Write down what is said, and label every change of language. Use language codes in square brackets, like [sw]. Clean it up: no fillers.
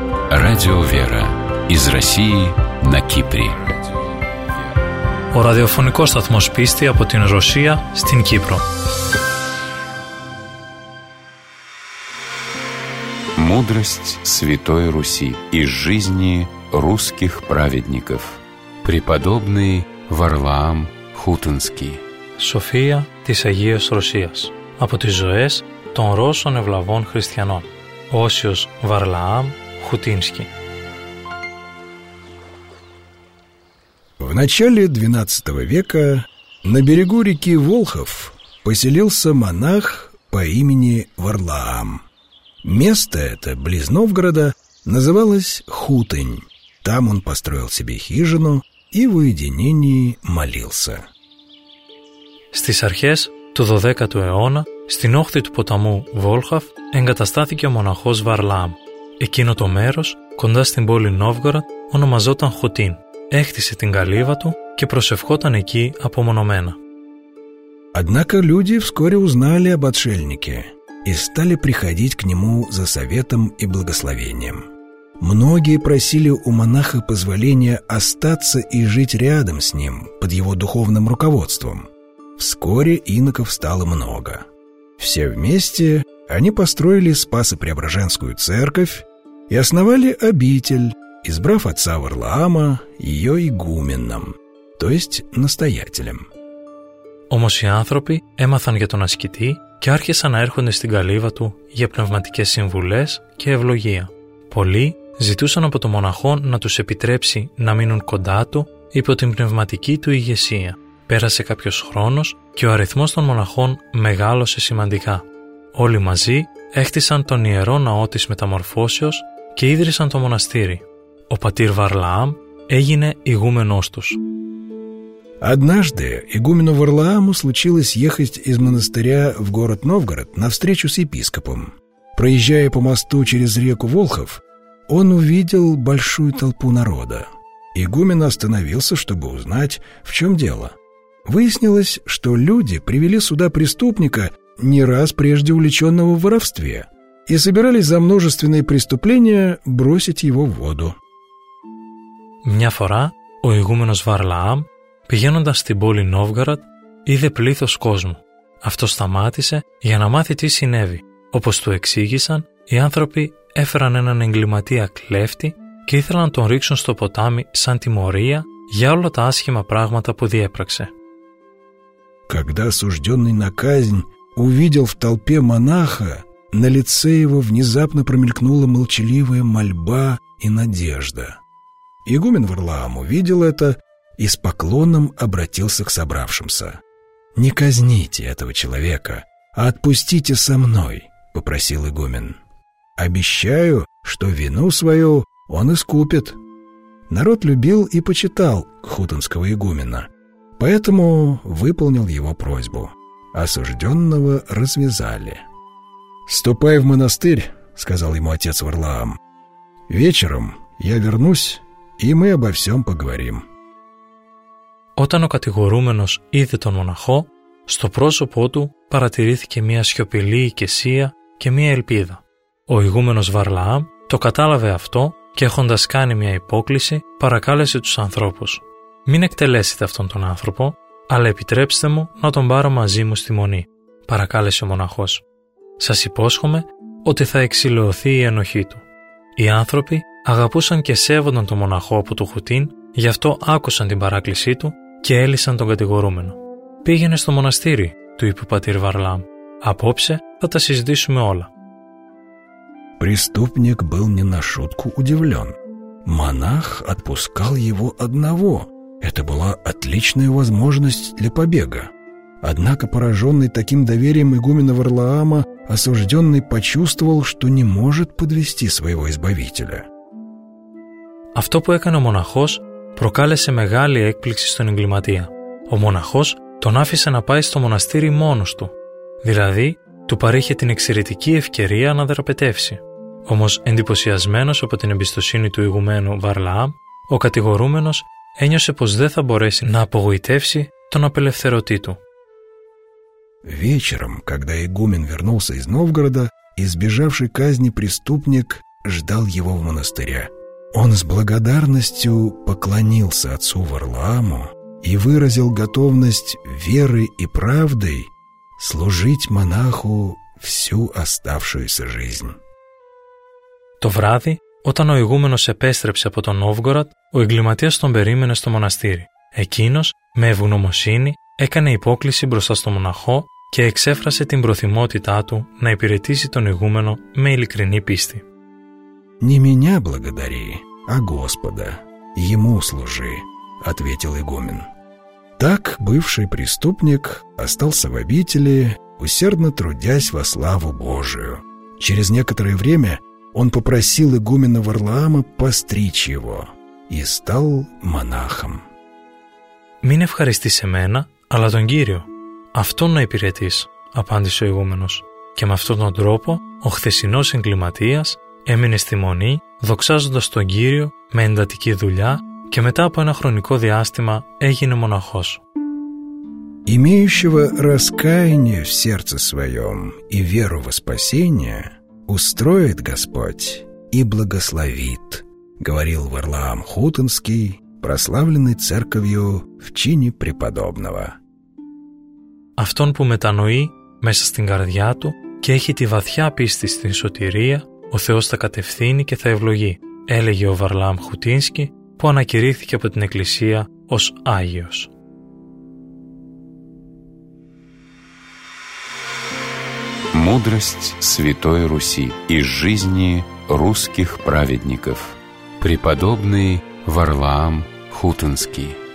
[ru] Радио Вера из России на Кипре. [el] О радиофонико сатмос писти από την Ρωσία στην Κύπρο. [ru] Мудрость Святой Руси из жизни русских праведников. Преподобный Варлаам Хутынский. [el] София της Агίας Ρωσίας. Από τις ζωές των Ρώσων ευλαβών χριστιανών. Όσιος Варлаам Хутынский. [ru] В начале 12 века на берегу реки Волхов поселился монах по имени Варлаам. Место это, близ Новгорода, называлось Хутынь. Там он построил себе хижину и в уединении молился. [el] Στις αρχές του 12ου αιώνα, στην όχθη του ποταμού Βόλχαφ, εγκαταστάθηκε ο μοναχός Βαρλάμ. Εκείνο το μέρος, κοντά στην πόλη Νόβγορα, ονομαζόταν Χουτίν. Έχτισε την καλύβα του και προσευχόταν εκεί απομονωμένα. [ru] Однако люди вскоре узнали об отшельнике и стали приходить к нему за советом и благословением. Многие просили у монаха позволения остаться и жить рядом с ним, под его духовным руководством. Вскоре иноков стало много. Все вместе они построили Спасо-Преображенскую церковь и основали обитель, избрав отца Варлаама ее игуменом, то есть настоятелем. [el] Όμως οι άνθρωποι έμαθαν για τον ασκητή και άρχισαν να έρχονται στην καλύβα του για πνευματικές συμβουλές και ευλογία. Πολλοί ζητούσαν από τον μοναχό να τους επιτρέψει να μείνουν κοντά του υπό την πνευματική του ηγεσία. Πέρασε κάποιος χρόνος και ο αριθμός των μοναχών μεγάλωσε σημαντικά. Όλοι μαζί έχτισαν τον ιερό ναό της Μεταμορφώσεως και ίδρυσαν το μοναστήρι. Ο πατήρ Βαρλαάμ έγινε ηγούμενός τους. [ru] Однажды игумену Варлааму случилось ехать из монастыря в город Новгород на встречу с епископом. Проезжая по мосту через реку Волхов, он увидел большую толпу народа. Игумен остановился, чтобы узнать, в чем дело. Выяснилось, что люди привели сюда преступника, не раз прежде увлеченного в воровстве, и собирались за множественные преступления бросить его в воду. [el] Мня фора, у игуменос Варлаам, πηγαίνοντας στην πόλη Νόβγαρατ, είδε πλήθος κόσμου. Αυτό σταμάτησε για να μάθει τι συνέβη. Όπως του εξήγησαν, οι άνθρωποι έφεραν έναν εγκληματία κλέφτη και ήθελαν να τον ρίξουν στο ποτάμι σαν τιμωρία για όλα τα άσχημα πράγματα που διέπραξε. [ru] Когда осужденный на казнь увидел в толпе монаха, на лице его внезапно промелькнула молчаливая мольба и надежда. Игумен Варлаам увидел это и с поклоном обратился к собравшимся. «Не казните этого человека, а отпустите со мной», — попросил игумен. «Обещаю, что вину свою он искупит». Народ любил и почитал хутынского игумена, поэтому выполнил его просьбу. Осужденного развязали. «Ступай в монастырь», — сказал ему отец Варлаам. «Вечером я вернусь, и мы обо всем поговорим». [el] Όταν ο κατηγορούμενος είδε τον μοναχό, στο πρόσωπό του παρατηρήθηκε μία σιωπηλή ηκεσία και μία ελπίδα. Ο ηγούμενος Βαρλαάμ το κατάλαβε αυτό και έχοντας κάνει μία υπόκληση παρακάλεσε τους ανθρώπους. «Μην εκτελέσετε αυτόν τον άνθρωπο, αλλά επιτρέψτε μου να τον πάρω μαζί μου στη μονή», παρακάλεσε ο μοναχός. «Σας υπόσχομαι ότι θα εξηλωθεί η ενοχή του». Οι άνθρωποι αγαπούσαν και σέβονταν τον μοναχό από το Χουτίν. Γι' αυτό άκουσαν την παράκλησή του και έλυσαν τον κατηγορούμενο. «Πήγαινε στο μοναστήρι», του είπε ο πατήρ Βαρλάμ. «Απόψε θα τα συζητήσουμε όλα». [ru] Преступник был не на шутку удивлен. Монах отпускал его одного. Это была отличная возможность для побега. Однако пораженный таким доверием игумена Варлаама, осужденный почувствовал, что не может подвести своего избавителя. [el] Αυτό που έκανε ο μοναχός προκάλεσε μεγάλη έκπληξη στον εγκληματία. Ο μοναχός τον άφησε να πάει στο μοναστήρι μόνος του. Δηλαδή, του παρήχε την εξαιρετική ευκαιρία να δραπετεύσει. Όμως, εντυπωσιασμένος από την εμπιστοσύνη του ηγουμένου Βαρλαάμ, ο κατηγορούμενος ένιωσε πως δεν θα μπορέσει να απογοητεύσει τον απελευθερωτή του. [ru] Вечером, когда игумен вернулся из Новгорода, избежавший казни преступник ждал его в монастыре. Он с благодарностью поклонился отцу Варлааму и выразил готовность верой и правдой служить монаху всю оставшуюся жизнь. [el] Το βράδυ, όταν ο ηγούμενος επέστρεψε από τον Νόβγκορατ, ο εγκληματίας τον περίμενε στο μοναστήρι. Εκείνος, με ευγνωμοσύνη, έκανε υπόκληση μπροστά στο μοναχό και εξέφρασε την προθυμότητά του να υπηρετήσει τον ηγούμενο με ειλικρινή πίστη. [ru] «Не меня благодари, а Господа, ему служи», — ответил игумен. Так бывший преступник остался в обители, усердно трудясь во славу Божию, Через некоторое время он попросил игумена Варлаама постричь его и стал монахом. [el] «Мин ευχαριστείς εμένα, αλλά τον Κύριο. Αυτόν να υπηρετείς», απάντησε ο ηγούμενος. Και με αυτόν τον τρόπο ο χθεσινός εγκληματίας έμεινε στη μονή, δοξάζοντας τον Κύριο με εντατική δουλειά και μετά από ένα χρονικό διάστημα έγινε μοναχός. [ru] Имеющего раскаяние в сердце своем и веру во спасение устроит Господь и благословит, говорил Варлаам Хутынский, прославленный церковью в чине преподобного. [el] Αυτόν που μετανοεί μέσα στην καρδιά του και έχει τη βαθιά πίστη στην σωτηρία, ο Θεός θα κατευθύνει και θα ευλογεί, έλεγε ο Βαρλάμ Χουτίνσκι, που ανακηρύχθηκε από την Εκκλησία ως Άγιος. [ru] Мудрость Святой Руси из жизни русских праведников. Преподобный Варлаам Хутынский.